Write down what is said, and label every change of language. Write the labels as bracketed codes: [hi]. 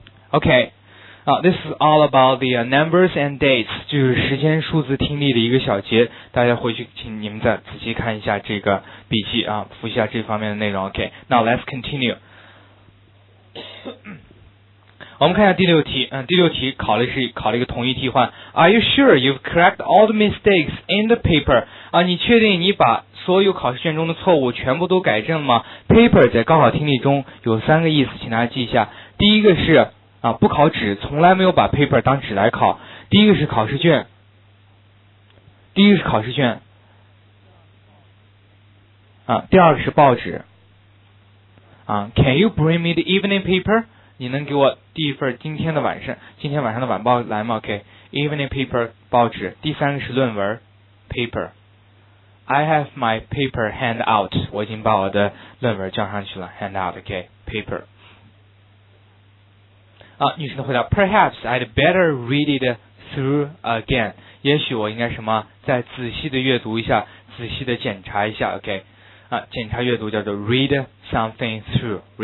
[zh] OK, 啊 ， [en] this is all about the numbers and dates, [zh] 就是时间、数字、听力的一个小节，大家回去请你们再仔细看一下这个笔记啊，复习一下这方面的内容。 [en] OK, now let's continue. [zh] 我们看一下第六题，第六题考了一个同义替换。 [en] Are you sure you've correct all the mistakes in the paper? [zh] 啊，你确定你把所有考试卷中的错误全部都改正了吗 ？Paper 在高考听力中有三个意思，请大家记一下。第一个是啊，不考纸，从来没有把 paper 当纸来考。第一个是考试卷，第一个是考试卷。啊，第二个是报纸。啊 ， [en] Can you bring me the evening paper? [zh] 你能给我第一份今天晚上的晚报来吗 ？OK, evening paper 报纸。第三个是论文 paper. [en] I have my paper hand out. [zh] 我已经把我的论文交上去了 ，hand out. [en] OK, paper. 啊， [zh] 女生的回答 [en] ，Perhaps I'd better read it through again. [zh] 也许我应该什么，再仔细的阅读一下，仔细的检查一下。 OK, 啊，检查阅读叫做 read something through.